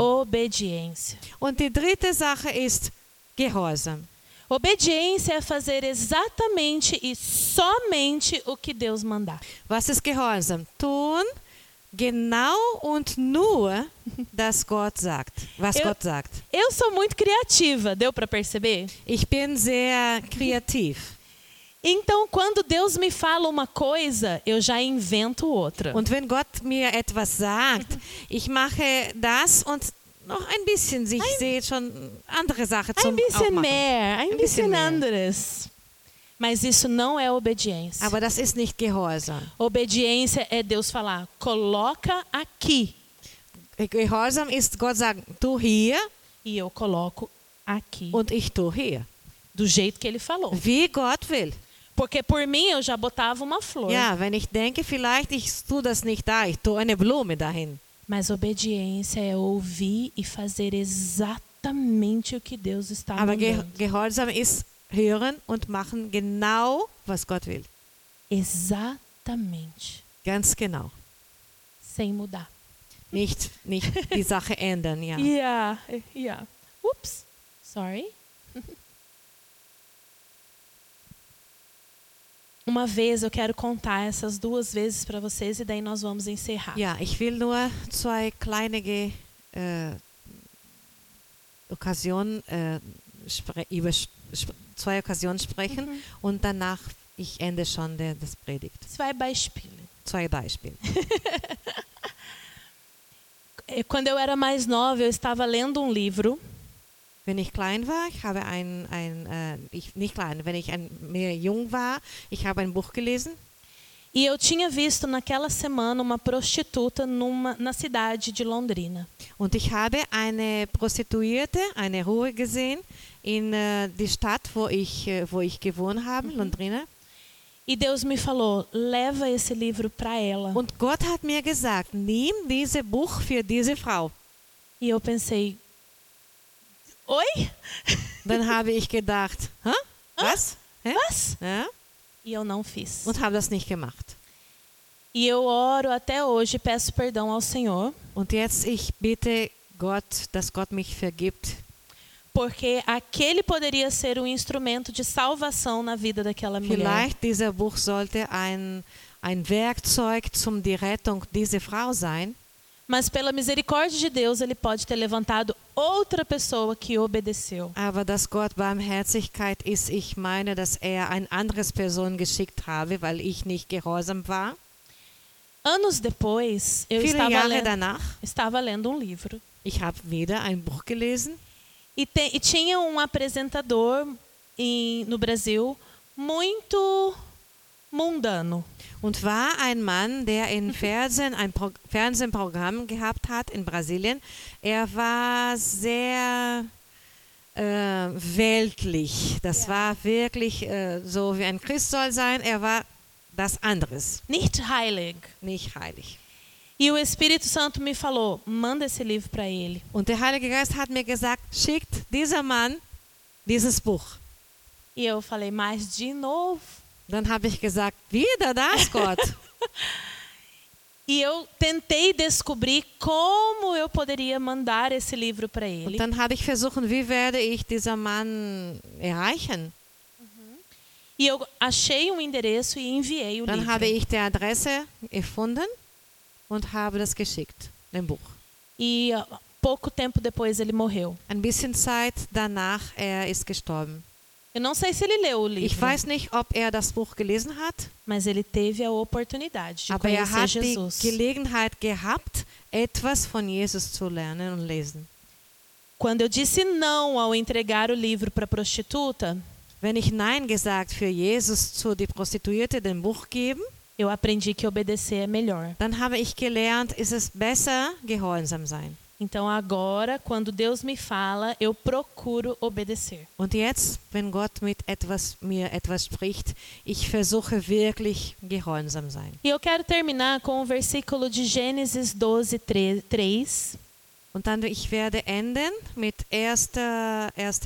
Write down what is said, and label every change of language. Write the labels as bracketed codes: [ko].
[pt] Obediência. [de] Und die dritte Sache ist Gehorsam. [pt] Obediência é fazer exatamente e somente o que Deus mandar. [de] Was ist Gehorsam? Tun genau und nur das Gott sagt. Was Gott sagt. [pt] Eu sou muito criativa, deu para perceber? [de] Ich bin sehr kreativ. [pt] Então, quando Deus me fala uma coisa, eu já invento outra. [de] Und wenn Gott mir etwas sagt, ich mache das und noch ein bisschen, ich sehe schon andere Sachen zum aufmachen. Ein bisschen anderes. [pt] Mas isso não é obediência. [de] Aber das ist nicht Gehorsam. [pt] Obediência é Deus falar, coloca aqui. [de] Gehorsam ist Gott sagen, tu hier. [pt] E eu coloco aqui. [de] Und ich tu hier. [pt] Do jeito que ele falou. [de] Wie Gott will. [pt] Porque por mim eu já botava uma flor. [de] Ja, wenn ich denke, vielleicht ich tu das nicht da, ich tu eine Blume dahin. [pt] Mas obediência é ouvir e fazer exatamente o que Deus está mandando. [de] Aber gehorsam ist hören und machen genau, was Gott will. [pt] Exatamente. [de] Ganz genau. [pt] Sem mudar. [de] Nicht die Sache ändern, ja. Ja, ja. Ups, sorry. [pt] Uma vez eu quero contar essas duas vezes para vocês e daí nós vamos encerrar. [de] Ja, ich will nur zwei kleine Occasionen sprechen, mhm. und danach ich ende schon das Predigt. Zwei Beispiele. [pt] Quando eu era mais nova, eu estava lendo livro. [de] Wenn ich klein war, ich habe ein Buch gelesen. [pt] E eu tinha visto naquela semana uma prostituta na cidade de Londrina. [de] Und ich habe eine Prostituierte, eine Hure gesehen in die Stadt, wo ich gewohnt habe, mhm. Londrina. [pt] E Deus me falou, leva esse livro para ela. [de] Und Gott hat mir gesagt, nimm dieses Buch für diese Frau. [pt] E eu pensei, oi? [de] Dann habe ich gedacht, hä? Was? Hä? Was? Ja? [pt] E eu não fiz. [de] Und habe das nicht gemacht. [pt] E eu oro até hoje, peço perdão ao Senhor. [de] Und jetzt ich bitte Gott, dass Gott mich vergibt. [pt] Porque aquele poderia ser instrumento de salvação na vida daquela mulher. [de] Vielleicht dieser Buch sollte ein Werkzeug zum die Rettung dieser Frau sein. [pt] Mas pela misericórdia de Deus, ele pode ter levantado outra pessoa que obedeceu. [de] Aber dass Gott Barmherzigkeit ist, ich meine, dass ein anderes Person geschickt habe, weil ich nicht gehorsam war. [pt] Anos depois, eu [de] Viele [pt] estava [de] Jahre [pt] lendo, [de] danach, [pt] estava lendo livro. [de] Ich habe wieder ein Buch gelesen. [pt] E tinha apresentador no Brasil muito mundano. [de] Und war ein Mann, der in Fernsehen ein Fernsehprogramm gehabt hat in Brasilien. War sehr weltlich. Das yeah. war wirklich so wie ein Christ soll sein. War das anderes. Nicht heilig. Nicht heilig. [pt] E o Espírito Santo me falou, manda esse livro para ele. [de] Und der Heilige Geist hat mir gesagt, schickt dieser Mann dieses Buch. [pt] E eu falei, mas de novo? [de] Dann habe ich gesagt, wieder das, Gott. [pt] E eu tentei descobrir como eu poderia mandar esse livro para ele. [de] Und dann habe ich versucht, wie werde ich dieser Mann erreichen? Uh-huh. [pt] E eu achei endereço e enviei [de] dann [pt] livro. [de] Habe ich die Adresse gefunden. Und habe das geschickt, dem Buch. [pt] E pouco tempo depois ele morreu. [de] Ein bisschen Zeit danach ist gestorben. [pt] Eu não sei se ele leu o livro. [de] Ich weiß nicht, ob das Buch gelesen hat. [pt] Mas ele teve a oportunidade de [de] Aber [pt] conhecer Jesus. [de] Aber er hat die Gelegenheit gehabt, etwas von Jesus zu lernen und lesen. [pt] Quando eu disse não ao entregar o livro para a prostituta, [de] wenn ich nein gesagt für Jesus zu die Prostituierte dem Buch geben. [pt] Eu aprendi que obedecer é melhor. [de] Dann habe ich gelernt, ist es besser, gehorsam sein. [pt] Então agora, quando Deus me fala, eu procuro obedecer. [de] Und jetzt, wenn Gott mir etwas spricht, ich versuche wirklich gehorsam sein. [pt] E eu quero terminar com o versículo de Gênesis 12, 3. [de] Und dann ich werde enden mit 1.